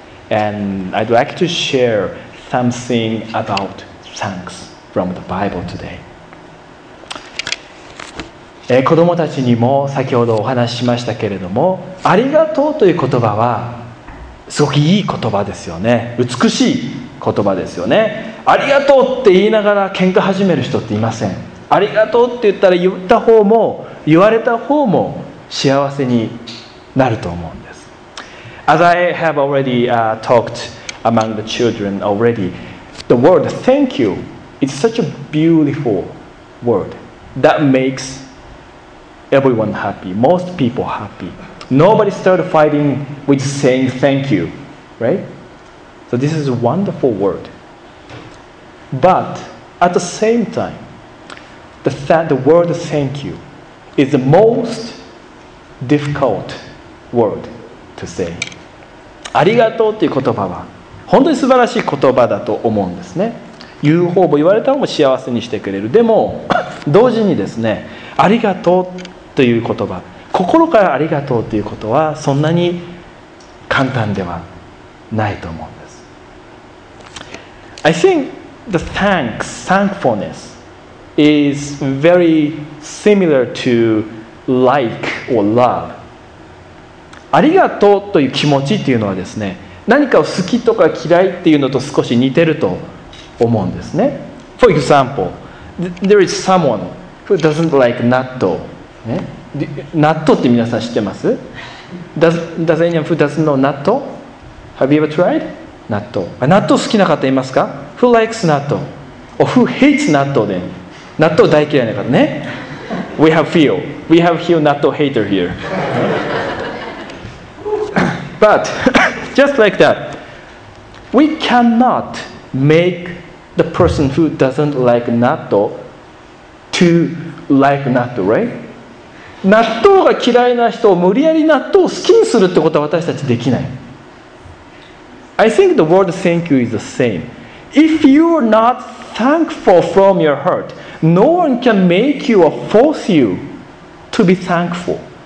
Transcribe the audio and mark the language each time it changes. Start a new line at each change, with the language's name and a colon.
English: And I'd like to share something about thanks. From the Bible today.
Japanese: 子供たちにも先ほどお話ししましたけれども、ありがとうという言葉はすごくいい言葉ですよね。美しい言葉ですよね。ありがとうって言いながら喧嘩始める人っていません。ありがとうって言ったら、言った方も言われた方も幸せになると思うんです。
English: As I have already talked among the children already, the word thank youIt's such a beautiful word that makes everyone happy, most people happy. Nobody started fighting with saying thank you, right? So this is a wonderful word. But at the same time, the word thank you is the most difficult word to say.
Japanese: ありがとうという言葉は本当に素晴らしい言葉だと思うんですね。言う方も言われた方も幸せにしてくれる。でも同時にですね、ありがとうという言葉、心からありがとうということはそんなに簡単ではないと思うんです。
English: I think the thanks, thankfulness is very similar to like or love.
Japanese: ありがとうという気持ちっていうのはですね、何かを好きとか嫌いっていうのと少し似てると思うんですね。
English: For example, there is someone who doesn't like natto.
Japanese: Natto って皆さん知ってます?
English: Does anyone who doesn't know natto? Have you ever tried?
Japanese: Natto. Natto 好きな方いますか?
English: Who likes natto? Or who hates natto then? Natto
Japanese: 大嫌いな方ね。
English: We have few. We have few natto hater here. But just like that, we cannot makethe person who doesn't like natto to like natto, right?
Japanese: 納豆が嫌いな人を無理やり納豆を好きにするってことは私たちできない。
English: I think the word thank you is the same. If you're not thankful from your heart, no one can make you or force you to be thankful.